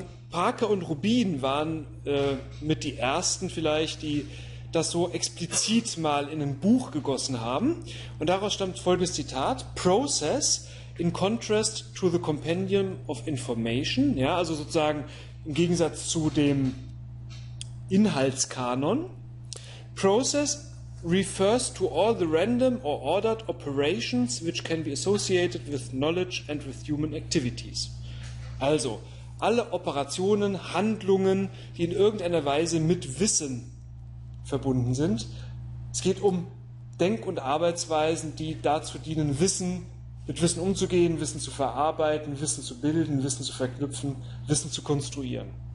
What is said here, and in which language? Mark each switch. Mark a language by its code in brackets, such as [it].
[de] Parker und Rubin waren mit die ersten vielleicht, die das so explizit mal in ein Buch gegossen haben. Und daraus stammt folgendes Zitat: [en] Process in contrast to the compendium of information. [de] Ja, also sozusagen im Gegensatz zu dem Inhaltskanon. [en] Process refers to all the random or ordered operations which can be associated with knowledge and with human activities. [de] Also, alle Operationen, Handlungen, die in irgendeiner Weise mit Wissen verbunden sind. Es geht um Denk- und Arbeitsweisen, die dazu dienen, Wissen mit Wissen umzugehen, Wissen zu verarbeiten, Wissen zu bilden, Wissen zu verknüpfen, Wissen zu konstruieren.